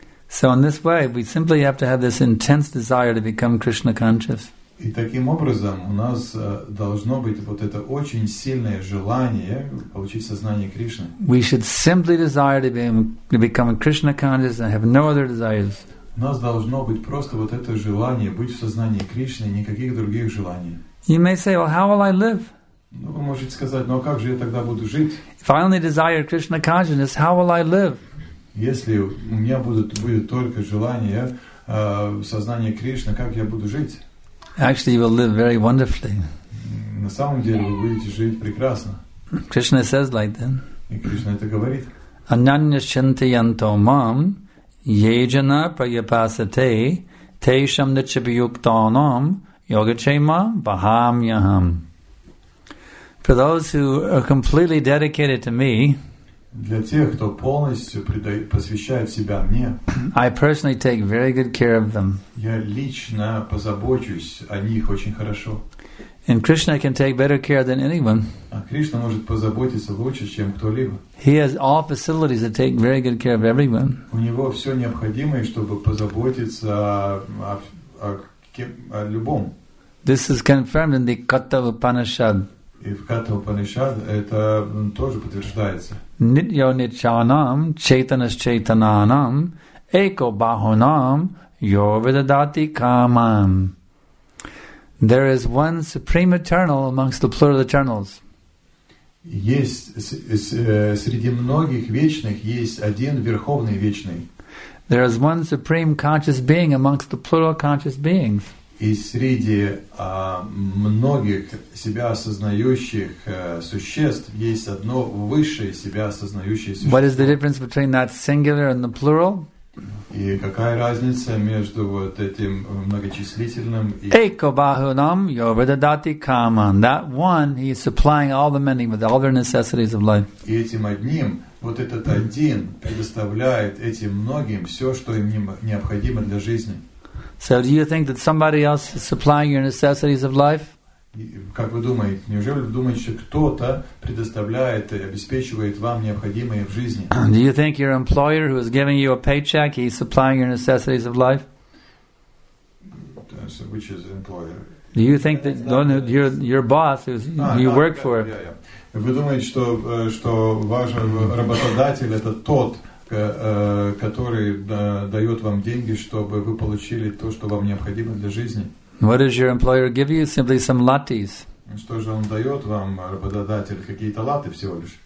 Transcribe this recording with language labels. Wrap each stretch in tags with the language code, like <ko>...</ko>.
<en>So in this way, we simply have to have this intense desire to become Krishna conscious.</en> <ru>И таким образом у нас должно быть вот это очень сильное желание получить сознание Кришны.</ru> <en>We should simply desire to become Krishna conscious and have no other desires.</en> <ru>У нас должно быть просто вот это желание быть в сознании Кришны, никаких других желаний.</ru> <en>You may say, well, how will I live?</en> <ru>Ну, вы можете сказать, ну а как же я тогда буду жить?</ru> <en>If I only desire Krishna consciousness, how will I live?</en> <ru>Если у меня будет только желание сознания Кришны, как я буду жить?</ru> <en>Actually, you will live very wonderfully.</en> <ru>На самом деле вы будете жить прекрасно.</ru> <en>Krishna says like that.</en> <ru>И Кришна это говорит.</ru> <sa>Ананьяшчантиянто мам, ейджана прайапасате, тейшам начабьюктанам, йогачейма вахам яхам.</sa> <en>For those who are completely dedicated to me,</en> <ru>для тех, кто полностью посвящает себя мне,</ru> <en>I personally take very good care of them.</en> <ru>Я лично позабочусь о них очень хорошо.</ru> <en>And Krishna can take better care than anyone.</en> <ru>А Кришна может позаботиться лучше, чем кто-либо.</ru> <en>He has all facilities to take very good care of everyone.</en> <ru>У него все необходимое, чтобы позаботиться о любом.</ru> <en>This is confirmed in the Katha Upanishad.</en> <ru>И в Катта Упанишад это тоже подтверждается.</ru> <sa>Нитьо нитьянам, чейтанас чейтананам, эко бахунам, йо видадати камам.</sa> <en>There is one supreme eternal amongst the plural eternals.</en> <ru>Есть среди многих вечных, есть один верховный вечный.</ru> <en>There is one supreme conscious being amongst the plural conscious beings.</en> <ru>И среди многих себя осознающих существ есть одно высшее себя осознающее существо.</ru> <en>What is the difference between that singular and the plural?</en> <ru>И какая разница между вот этим многочислительным и...</ru> <sa>Эко бахунам йо вададати каман.</sa> <en>That one, he is supplying all the many with all their necessities of life.</en> <ru>И этим одним, вот этот один, предоставляет этим многим все, что им необходимо для жизни.</ru> <en>So do you think that somebody else is supplying your necessities of life?</en> <ru>Как вы думаете, неужели вы думаете, что кто-то предоставляет и обеспечивает вам необходимое в жизни?</ru> <en>Do you think your employer who is giving you a paycheck, he's supplying your necessities of life? So which is employer? Do you think that your boss who you work for?</en> <ru>Вы думаете, что ваш работодатель это тот, который дает вам деньги, чтобы вы получили то, что вам необходимо для жизни.</ru> <en>What does your employer give you? Simply some lattes.</en> <ru>Что же он дает вам, работодатель, какие-то латы всего лишь?</ru>